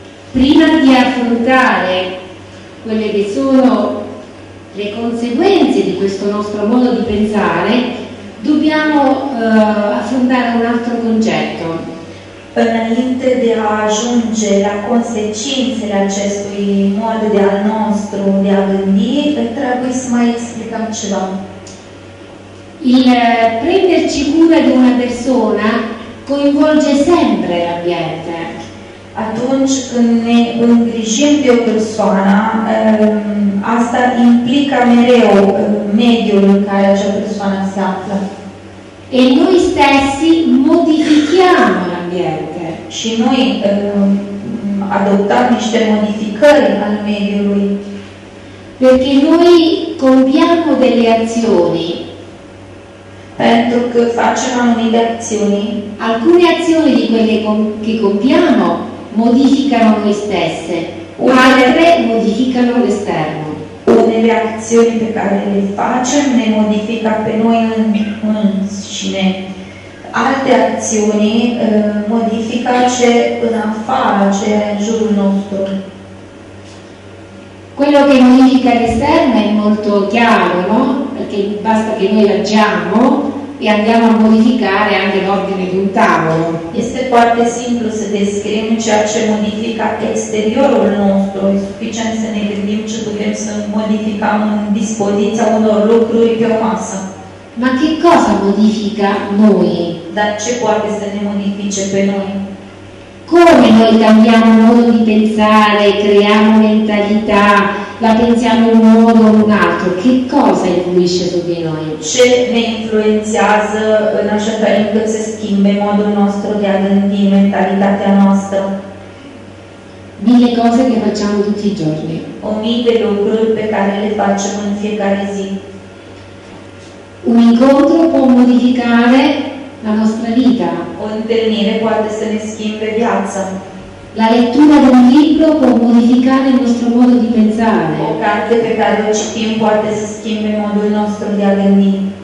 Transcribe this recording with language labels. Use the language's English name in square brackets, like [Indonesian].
[Italian] Prima di affrontare quelle che sono le conseguenze di questo nostro modo di pensare, dobbiamo affrontare un altro concetto. [Romanian] Înainte de a ajunge la consecințele acestui mod de al nostru de a gândi, trebuie să mai explicăm ceva. [Italian] Il prenderci cura di una persona coinvolge sempre l'ambiente. [Romanian] Atunci când ne îngrijim de o persoană, asta implică mereu mediul în care acea persoană se află. [Italian] E noi stessi modifichiamo l'ambiente. [Romanian] Și noi adottăm niște modificări al mediului. [Italian] Perché noi compiamo delle azioni. [Romanian] Pentru că facem anumite acțiuni. [Italian] Alcune azioni di quelle che compiamo modificano noi stesse, altre modificano l'esterno. [Romanian] Unele acțiuni pe care le facem ne modifică pe noi înșine. Alte acțiuni modifică ce în afară, ce în jurul nostru. [Italian] Quello che modifica l'esterno è molto chiaro, no? Perché basta che noi agiamo e andiamo a modificare anche l'ordine di un tavolo. [Romanian] Este foarte simplu să descriem ceea ce modifică exteriorul nostru. E suficient să ne gândim ce putem să modificăm în dispoziția unor lucruri pe o masă. [Italian] Ma che cosa modifica noi? [Romanian] Dar ce poate să ne modifice pe noi? [Italian] Come noi cambiamo modo di pensare, creiamo mentalità, la pensiamo in un modo o in un altro, che cosa influisce su di noi? [Romanian] Ce ne influențează în așa fel încât se schimbe modul nostru de a gândi, mentalitatea noastră? [Italian] Mille cose che facciamo tutti i giorni. [Romanian] O mii de lucruri pe care le facem în fiecare zi. [Italian] Un incontro può modificare la nostra vita. [Romanian] O întâlnire poate să ne schimbe viața. [Italian] La lettura di un libro può modificare il nostro modo di pensare. [Romanian] O carte pe care o citim poate să schimbe modul nostru de a gândi.